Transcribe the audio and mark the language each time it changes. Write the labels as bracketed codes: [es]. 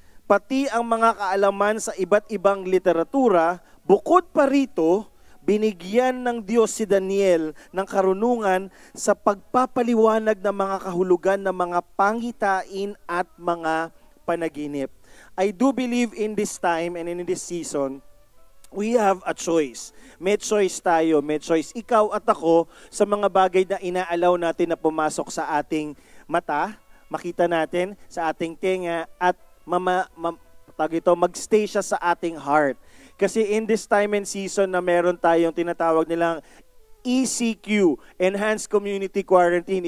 [tl] Pati ang mga kaalaman sa iba't ibang literatura, bukod pa rito, binigyan ng Diyos si Daniel ng karunungan sa pagpapaliwanag ng mga kahulugan ng mga pangitain at mga panaginip. [en] I do believe in this time and in this season, we have a choice. [tl] May choice tayo, may choice ikaw at ako sa mga bagay na inaalaw natin na pumasok sa ating mata, makita natin sa ating tenga at magstay siya sa ating heart. Kasi in this time and season na meron tayong tinatawag nilang ECQ, Enhanced Community Quarantine.